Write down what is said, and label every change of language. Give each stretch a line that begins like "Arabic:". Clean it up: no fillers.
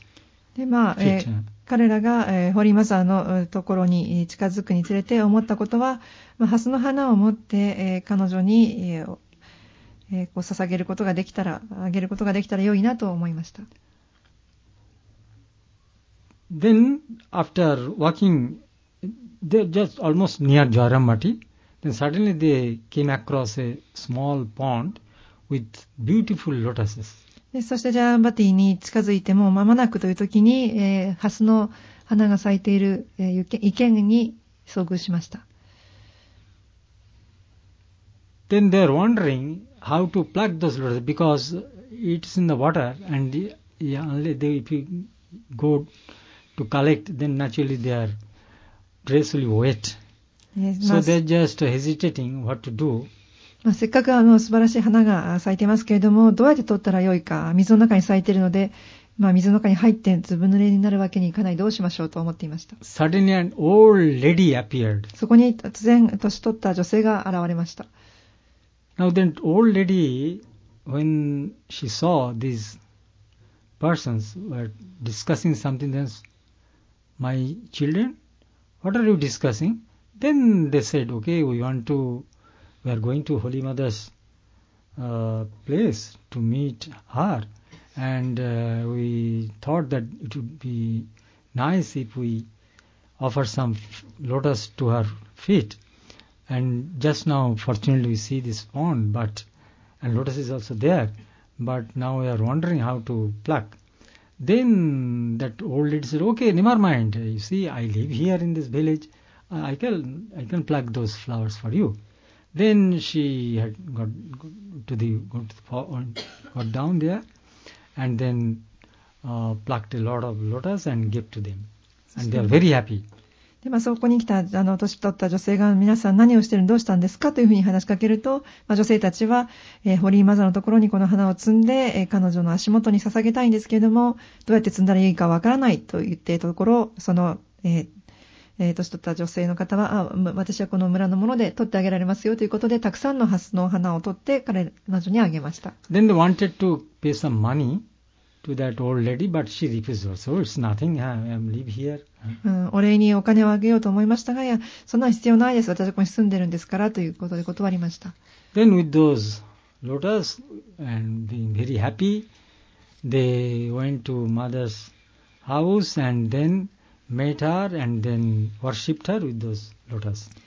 English: feet.
Japanese: まあ、彼らが、ホーリーマザーのところに近づくにつれて思ったことは、まあ、ハスの花を持って、彼女に、こう捧げることができたら、あげることができたら良いなと思いました。
English: Then, after walking, they're just almost near Jaramati. Then suddenly they came across a small pond with beautiful lotuses.
Japanese: で、そしてジャーンバティに近づいても間もなくという時に、ハスの花が咲いている、池に遭遇しました。
English: Then they're wondering how to pluck those lotuses because it's in the water and only they, if you go to collect, then naturally they are dressfully wet. So they're just hesitating what to do.
Japanese: まあ、せっかくあの素晴らしい花が咲いてますけれども、どうやって取ったらよいか、水の中に咲いているので、まあ、水の中に入ってずぶ濡れになるわけにいかない、どうしましょうと思っていました。
English: Suddenly an old lady appeared.
Japanese: そこに突然年取った女性が現れました。
English: Now then, old lady, when she saw these persons were discussing something, then, my children, what are you discussing? Then they said, okay, we are going to Holy Mother's place to meet her. And we thought that it would be nice if we offer some lotus to her feet. And just now, fortunately, we see this pond, but and lotus is also there. But now we are wondering how to pluck. Then that old lady said, okay, never mind. You see, I live here in this village. I can pluck those flowers for you. Then she had got down there and then plucked a lot of lotus and gave to them. And they are very happy.
Japanese: で、まあ、そこに来たあの年取った女性が皆さん何をしてるのどうしたんですかというふうに話しかけると、まあ、女性たちは、ホーリーマザーのところにこの花を摘んで、彼女の足元に捧げたいんですけれどもどうやって摘んだらいいかわからないと言っているところその、年取った女性の方はあ私はこの村のもので取ってあげられますよということでたくさんのハスの花を取って彼女にあげました。
English: Then they wanted to pay some money to that old lady, but she refused. So it's nothing. I am live here.
Japanese: お礼にお金をあげようと思いましたが、いやそんな必要ないです。私はここに住んでるんですからということで断りました。
English: Then with those lotus and being very happy, they went to mother's house and then met her and then worshipped her with those lotus.